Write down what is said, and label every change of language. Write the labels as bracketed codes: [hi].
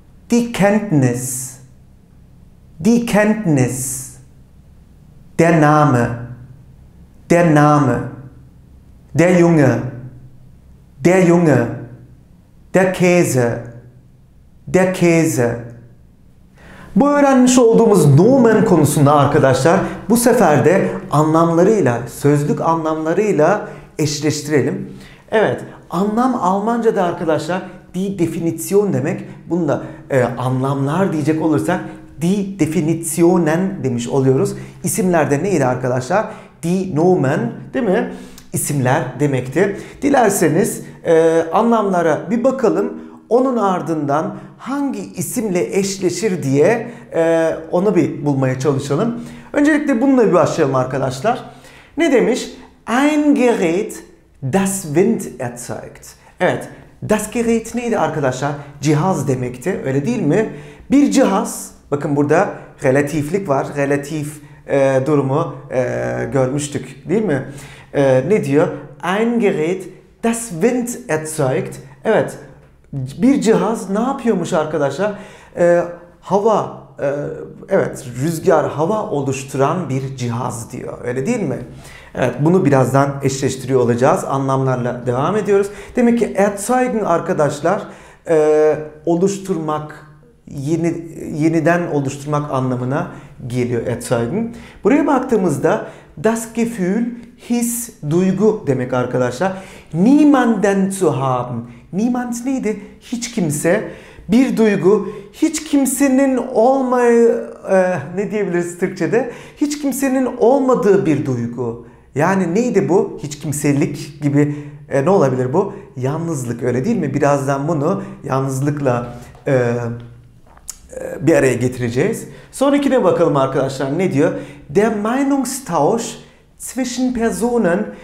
[de] die Kenntnis, die Kenntnis, der Name, der Name, der Junge, der Junge, der Käse, der Käse. [tr] Bu öğrenmiş olduğumuz nomen konusunda arkadaşlar bu sefer de anlamlarıyla, sözlük anlamlarıyla eşleştirelim. Evet, anlam Almanca'da arkadaşlar die Definition demek. Bunu da anlamlar diyecek olursak die Definitionen demiş oluyoruz. İsimler de neydi arkadaşlar? Die Nomen, değil mi? İsimler demekti. Dilerseniz anlamlara bir bakalım. Onun ardından hangi isimle eşleşir diye onu bir bulmaya çalışalım. Öncelikle bununla bir başlayalım arkadaşlar. Ne demiş? [de] Ein Gerät, das Wind erzeugt. [tr] Evet, das Gerät neydi arkadaşlar? Cihaz demekti, öyle değil mi? Bir cihaz, bakın burada relatiflik var. Relatif durumu görmüştük, değil mi? Ne diyor? [de] Ein Gerät, das Wind erzeugt. [tr] Evet, bir cihaz ne yapıyormuş arkadaşlar? Hava, evet, rüzgar, hava oluşturan bir cihaz diyor. Öyle değil mi? Evet, bunu birazdan eşleştiriyor olacağız. Anlamlarla devam ediyoruz. Demek ki erzeugen arkadaşlar, oluşturmak, yeniden oluşturmak anlamına geliyor erzeugen. Buraya baktığımızda das Gefühl, his, duygu demek arkadaşlar. [de] Niemanden zu haben. [tr] Niemand neydi? Hiç kimse. Bir duygu. Hiç kimsenin olmayı, ne diyebiliriz Türkçe'de? Hiç kimsenin olmadığı bir duygu. Yani neydi bu? Hiç kimselik gibi ne olabilir bu? Yalnızlık, öyle değil mi? Birazdan bunu yalnızlıkla bir araya getireceğiz. Sonrakine bakalım arkadaşlar, ne diyor? [de] Der Meinungstausch zwischen Personen.